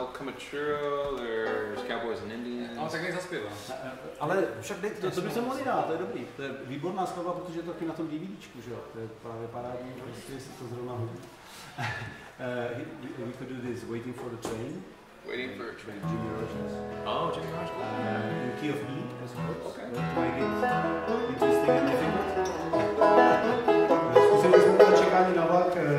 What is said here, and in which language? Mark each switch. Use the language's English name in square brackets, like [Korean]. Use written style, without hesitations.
[English] El Camacho, there's Cowboys and Indians. [Czech] Ale tak nezaspívám. Ale však dejte. To by se mohl i dát, to je dobrý. To je výborná skladba, protože je to taky na tom DVDčku, že jo? To je právě parádní, prostě se to zrovna hodí. [English] We could do this, Waiting for the Train. Waiting for a Train. Jimmy Rogers. Oh, Jimmy Rogers. In Key of E, as well. Okay. Play it. Interesting and difficult. [Czech] Zkusili jsme to čekání na vlak.